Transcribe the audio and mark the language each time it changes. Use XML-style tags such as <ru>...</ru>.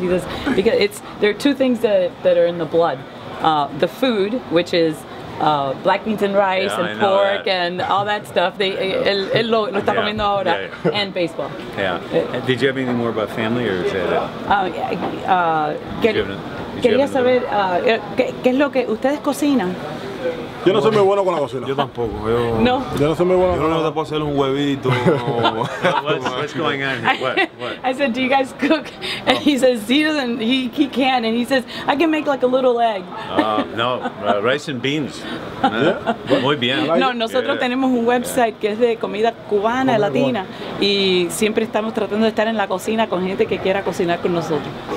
<en>He says, because there are two things that are in the blood. The food, which is black beans and rice and pork and all that stuff.</en> <es>Él lo está comiendo ahora.</es> <en>Yeah. And baseball. Yeah. Did you have anything more about family or is that it?</en> <es>Quería saber, ¿qué es lo que ustedes cocinan? Yo no soy muy bueno con la cocina. Yo tampoco. Yo no soy muy bueno. Yo no te puedo hacer un huevito.</es> <en>What's going on? What? I said, do you guys cook? And he says, he can. And he says, I can make like a little egg. Rice and beans. Yeah.</en> <es>Muy bien. No, nosotros tenemos un website que es de comida cubana, y latina. Cubana. Y siempre estamos tratando de estar en la cocina con gente que quiera cocinar con nosotros.</es>